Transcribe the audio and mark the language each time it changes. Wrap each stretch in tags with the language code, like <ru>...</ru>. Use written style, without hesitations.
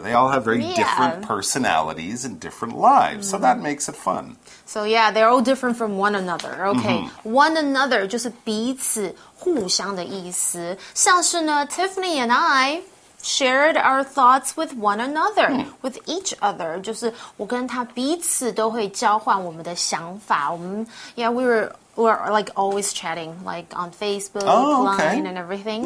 <en>They all have very different personalities and different lives. Mm-hmm. So that makes it fun. So yeah, they're all different from one another. Okay, one another</en> <zh>就是彼此互相的意思。像是呢</zh> <en>，Tiffany and I shared our thoughts with one another, with each other.</en> <zh>就是我跟他彼此都会交换我们的想法。</zh> <en>We're like always chatting, like on Facebook, online, and everything.</en>